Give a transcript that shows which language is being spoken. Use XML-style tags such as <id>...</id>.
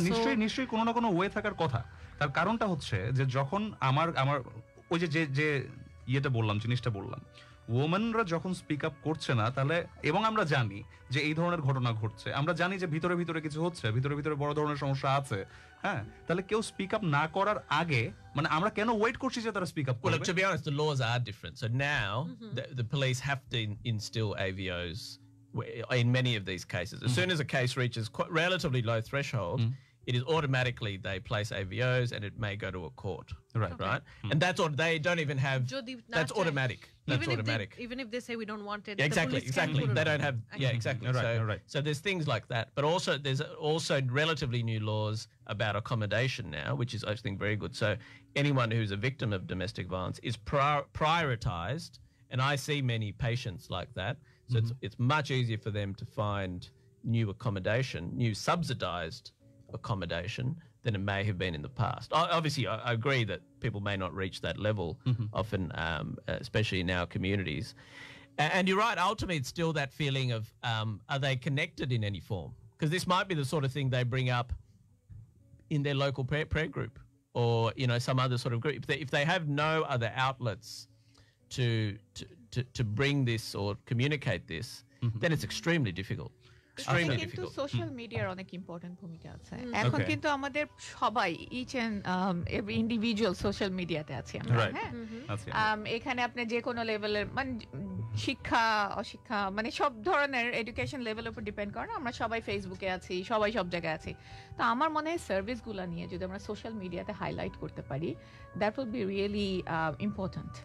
<bn>নিশ্চয়ই নিশ্চয়ই কোনো না কোনো ওয়ে থাকার কথা তার কারণটা হচ্ছে যে যখন আমার আমার ওই যে যে যে ইয়েটা বললাম জিনিসটা বললাম ওমেনরা যখন স্পিক আপ করছে না তাহলে এবং আমরা জানি যে এই ধরনের ঘটনা ঘটছে আমরা জানি যে ভিতরে ভিতরে কিছু হচ্ছে ভিতরে ভিতরে বড় ধরনের সমস্যা আছে হ্যাঁ তাহলে কেউ স্পিক আপ না করার আগে মানে আমরা কেন ওয়েট করছি যে তারা স্পিক আপ করবে</bn> <en>To be honest the laws are different so now the police have to install AVOs in many of this cases as soon as a case reaches relatively low threshold It is automatically they place AVOs and it may go to a court. Right. And that's what they don't even have. That's automatic. Even if they say we don't want it. Exactly. They don't have. So there's things like that. But also there's also relatively new laws about accommodation now, which is, I think, very good. So anyone who's a victim of domestic violence is prioritized. And I see many patients like that. So it's much easier for them to find new accommodation, new subsidized accommodation than it may have been in the past. Obviously, I agree that people may not reach that level often, especially in our communities. And you're right, ultimately, it's still that feeling of are they connected in any form? Because this might be the sort of thing they bring up in their local prayer group or, you know, some other sort of group. If they have no other outlets to bring this or communicate this, then it's extremely difficult.</en> <bn>কিন্তু social মিডিয়ার অনেক important ভূমিকা আছে এখন কিন্তু আমাদের সবাই</bn> <en>each and every individual</en> <bn>social মিডিয়াতে আছি আমরা হ্যাঁ এখানে আপনি যে কোনো লেভেলের মানে শিক্ষা অশিক্ষা মানে সব ধরনের এডুকেশন লেভেলের উপর ডিপেন্ড করে না আমরা সবাই ফেসবুকে আছি সবাই সব জায়গায় আছি তো আমার মনে হয় সার্ভিসগুলো নিয়ে যদি আমরা সোশ্যাল মিডিয়াতে হাইলাইট করতে পারি</bn> <en>that will be really important</en>